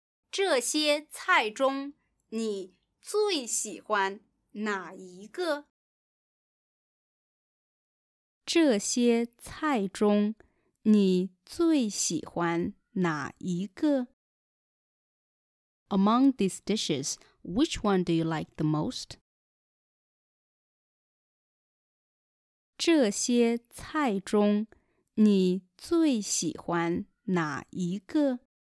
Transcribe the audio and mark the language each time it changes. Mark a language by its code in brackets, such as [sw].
[zh] 这些菜中你最喜欢哪一个？这些菜中你最喜欢哪一个？ [en] Among these dishes, which one do you like the most? [zh] 这些菜中你最喜欢哪一个？